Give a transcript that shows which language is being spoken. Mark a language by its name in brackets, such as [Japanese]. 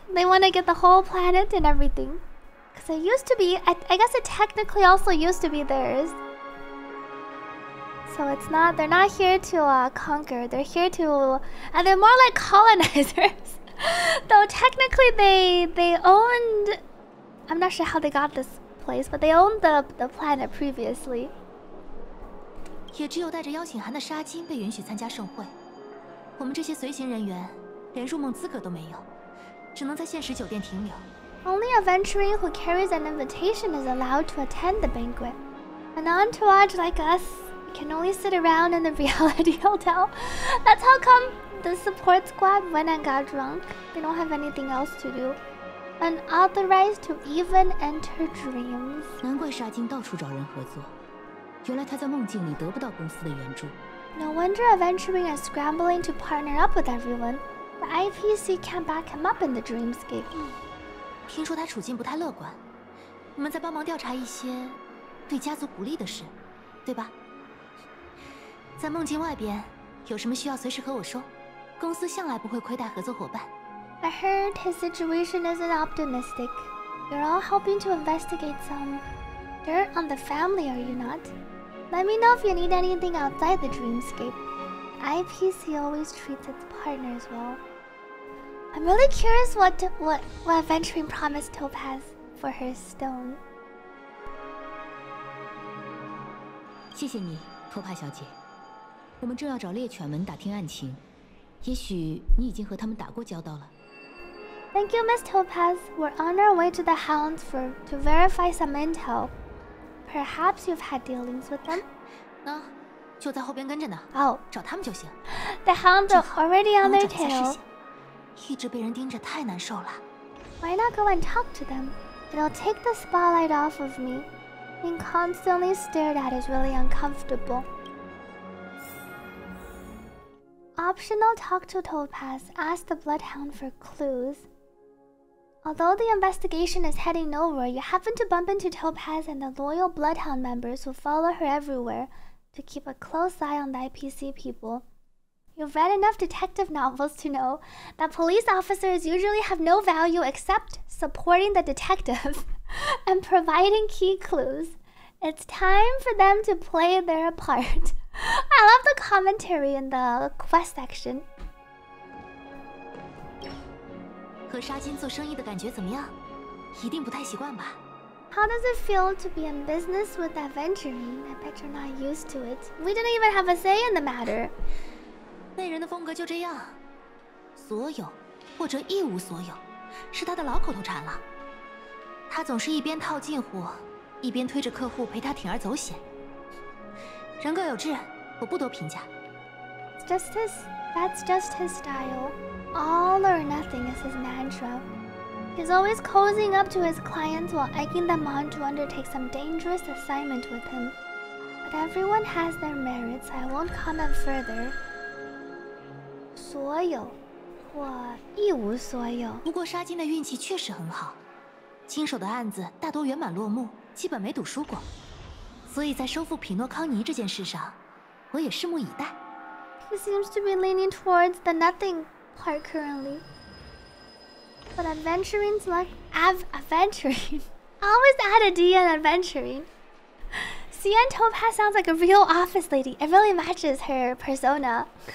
[English] They want to get the whole planet and everything. Because it used to be, I guess it technically also used to be theirs. So it's not, they're not here to conquer. They're here to, and they're more like colonizers. Though technically they owned, I'm not sure how they got this. Place, but they owned the planet previously. [Chinese] 也只有带着邀请函的沙金被允许参加盛会。我们这些随行人员连入梦资格都没有，只能在现实酒店停留。 [English] Only a venturing who carries an invitation is allowed to attend the banquet. An entourage like us can only sit around in the reality hotel. That's how come the support squad went and got drunk. They don't have anything else to do. Unauthorized to even enter dreams. [Chinese] 难怪沙金到处找人合作，原来他在梦境里得不到公司的援助。 [English] No wonder Aventurine is scrambling to partner up with everyone. The IPC can't back him up in the dreamscape. [Chinese] 听说他处境不太乐观，你们再帮忙调查一些对家族不利的事，对吧？在梦境外边，有什么需要随时和我说。公司向来不会亏待合作伙伴。 [English] I heard his situation isn't optimistic. You're all helping to investigate some dirt on the family, are you not? Let me know if you need anything outside the dreamscape. IPC always treats its partners well. I'm really curious what Aventurine promised Topaz for her stone. [Chinese] 谢谢你，托帕小姐。我们正要找猎犬们打听案情，也许你已经和他们打过交道了。 [English] Thank you, Miss Topaz. We're on our way to the hounds to verify some intel. Perhaps you've had dealings with them? No, [Chinese] 就在后边跟着呢。 [English] Oh, [Chinese] 找他们就行。 [English] The hounds are already on their tail. 一直被人盯着太难受了。 Why not go and talk to them? It'll take the spotlight off of me. Being constantly stared at is really uncomfortable. Optional talk to Topaz, ask the Bloodhound for clues. Although the investigation is heading nowhere, you happen to bump into Topaz and the loyal Bloodhound members who follow her everywhere to keep a close eye on the IPC people. You've read enough detective novels to know that police officers usually have no value except supporting the detective and providing key clues. It's time for them to play their part. I love the commentary in the quest section. [Chinese] 和沙金做生意的感觉怎么样？一定不太习惯吧。 [English] How does it feel to be in business with aventurine? I bet you're not used to it. We didn't even have a say in the matter. [Chinese] 那人的风格就这样，所有或者一无所有，是他的老口头禅了。他总是一边套近乎，一边推着客户陪他铤而走险。人各有志，我不多评价。 [English] That's just his style. All or nothing is his mantra. He's always cozying up to his clients while egging them on to undertake some dangerous assignment with him. But everyone has their merits, I won't comment further. [Chinese] 所有或一无所有。不过沙金的运气确实很好，经手的案子大多圆满落幕，基本没赌输过。所以在收复匹诺康尼这件事上，我也拭目以待。 [English] He seems to be leaning towards the nothing part currently. But aventurine's luck, aventurine. Always add a D in aventurine. Cien Topaz sounds like a real office lady. It really matches her persona.